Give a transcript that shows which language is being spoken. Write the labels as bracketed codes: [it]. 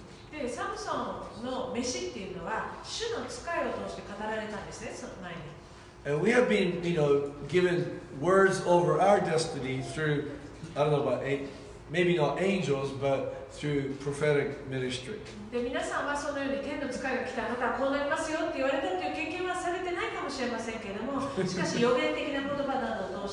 [ja] で、サムソンの召しっていうのは主の使いを通して語られたんですね、その前に。 [en] And we have been, given words over our destiny through, I don't know about maybe not angels, but through prophetic ministry. [ja] で、皆さんはそのように天の使いが来た、またこうなりますよって言われたという経験はされてないかもしれませんけれども、しかし予言的な言葉など。